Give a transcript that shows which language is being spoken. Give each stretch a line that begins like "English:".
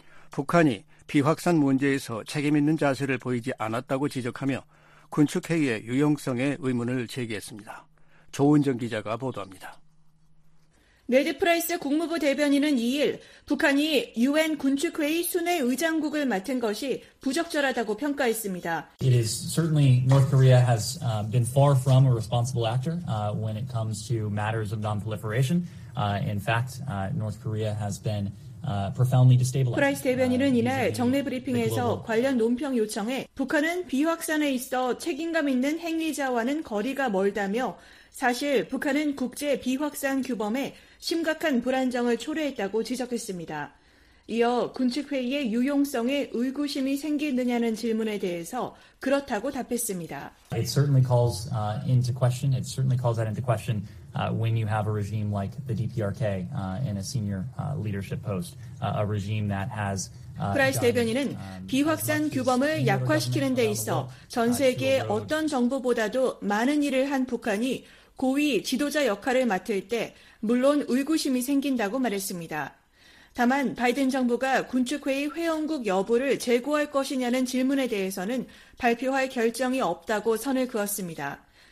Korean: 북한이 비확산 문제에서 책임 있는 자세를 보이지 않았다고 지적하며 군축회의의 유용성에 의문을 제기했습니다. 조은정 기자가 보도합니다. 네드 프라이스 국무부 대변인은 2일 북한이 유엔 군축회의 순회 의장국을 맡은 것이 부적절하다고 평가했습니다.
English: It is certainly North Korea has been far from a responsible actor when it comes to matters of non-proliferation. In fact, North Korea has been profoundly destabilized.
Korean: 프라이스 대변인은 이날 정례 브리핑에서 관련 논평 요청에 북한은 비확산에 있어 책임감 있는 행위자와는 거리가 멀다며 사실 북한은 국제 비확산 규범에 심각한 불안정을 초래했다고 지적했습니다. 이어 군축회의의 유용성에 의구심이 생기느냐는 질문에 대해서 그렇다고 답했습니다.
English: It certainly calls into question. It certainly calls that into question when you have a regime like the DPRK in a senior leadership post, a regime that has
Korean: 프라이스 대변인은 비확산 규범을 약화시키는 데 있어 전 세계 어떤 정부보다도 많은 일을 한 북한이 고위 지도자 역할을 맡을 때 물론 의구심이 생긴다고 말했습니다. 다만 바이든 정부가 군축회의 회원국 여부를 재고할 것이냐는 질문에 대해서는 발표할 결정이 없다고 선을 그었습니다.